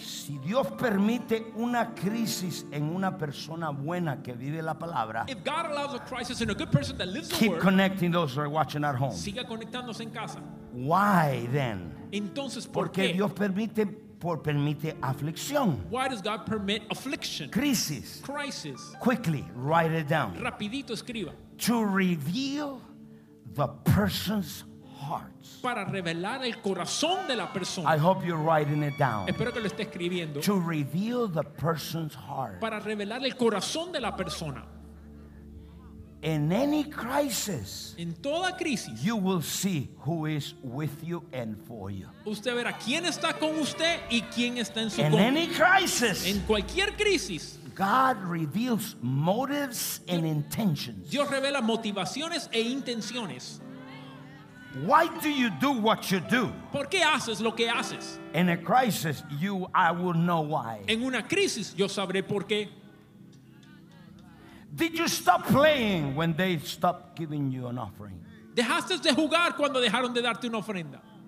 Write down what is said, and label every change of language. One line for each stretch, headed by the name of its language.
Spanish: si Dios permite una crisis en una persona buena que vive la palabra,
English: if God allows a crisis in a good person that lives the word, keep connecting those who are watching at home.
Spanish: Siga conectándose en casa.
English: Why then?
Spanish: Entonces, ¿por porque qué? Dios permite por permite aflicción.
English: Why does God permit affliction? Crisis.
Spanish: Crisis.
English: Quickly, write it down.
Spanish: Rapidito escriba.
English: To reveal the person's hearts.
Spanish: Para revelar el corazón de la persona.
English: I hope you're writing it down.
Spanish: Espero que lo esté escribiendo.
English: To reveal the person's heart.
Spanish: Para revelar el corazón de la persona.
English: In any crisis,
Spanish: en toda crisis,
English: you will see who is with you and for you.
Spanish: Usted verá quién está con usted y quién está en su.
English: In any crisis,
Spanish: en cualquier crisis,
English: God reveals motives and intentions.
Spanish: Dios revela motivaciones e intenciones.
English: Why do you do what you do?
Spanish: ¿Por qué haces lo que haces?
English: In a crisis, I will know why.
Spanish: En una crisis, yo sabré por qué.
English: Did you stop playing when they stopped giving you an offering?
Spanish: ¿Dejaste de jugar cuando dejaron de darte una ofrenda?